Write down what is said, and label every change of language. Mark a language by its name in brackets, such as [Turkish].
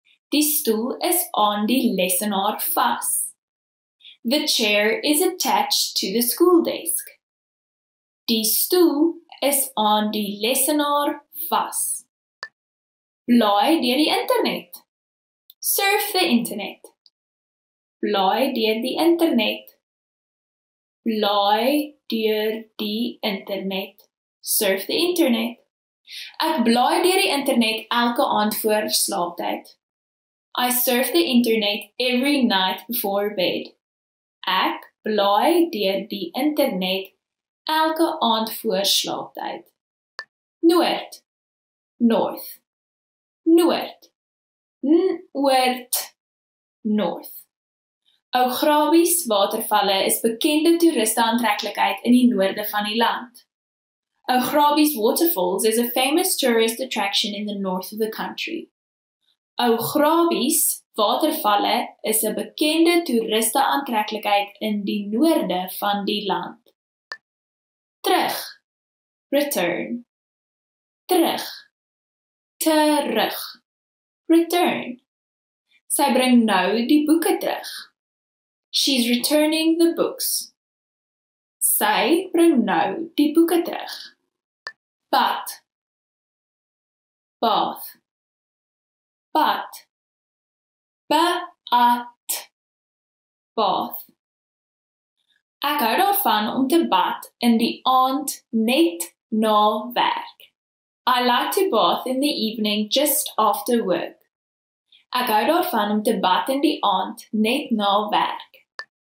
[Afrikaans] Die stoel is aan die lessenaar vas. [English] The chair is attached to the school desk. [Afrikaans] Die stoel is aan die lessenaar vas. Blaai deur die internet. [English] Surf the internet. [Afrikaans] Blaai deur die internet. Blaai deur die internet. [English] Surf the internet. [Afrikaans] Ek blaai deur die internet elke aand voor slaaptyd. [English] I surf the internet every night before bed. [Afrikaans] Ek blaai deur die internet elke aand voor slaaptyd. Noord. North. Noord. Noord. North. Ougrawies watervalle is bekende toeristeaantreklikheid in die noorde van die land. [English] Ougrawies waterfalls is a famous tourist attraction in the north of the country. [Afrikaans] Ougrawies watervalle is 'n bekende toeristeaantreklikheid in die noorde van die land. Terug. Return. Terug. Terug. Return. Sy bring nou die boeke terug. [English] She's returning the books. [Afrikaans] Sy bring nou die boeke terug. Bath. Bath. Bath. Ba-at. Bath. Ek hou daarvan om te bad in die aand net na werk. [English] I like to bath in the evening just after work. [Afrikaans] Ek hou daarvan om te bad in die aand net na werk.